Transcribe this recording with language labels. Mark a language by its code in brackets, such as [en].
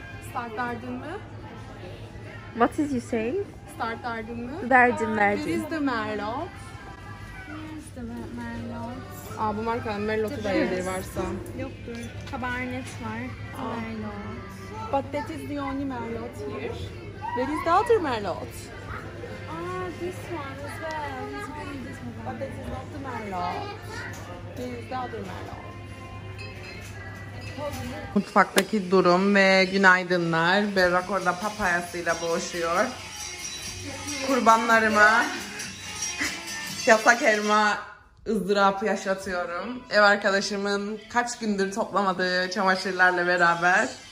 [tr] Start verdin mi? [en] What did you say? [tr] Start verdin mi? Verdim. [en] Where is the Merlot? [tr] Aa bu markanın Merlot'u da yediği varsa. Yoktur. Cabernet var. Merlot. [en] But that is the only Merlot here. Where is the other Merlot? Ah, this one as well. But that is not the Merlot. This is the other Merlot. [tr] Mutfaktaki durum ve günaydınlar. Berrak orada papayasıyla boğuşuyor. Kurbanlarıma yasak elma ızdırapı yaşatıyorum. Ev arkadaşımın kaç gündür toplamadığı çamaşırlarla beraber.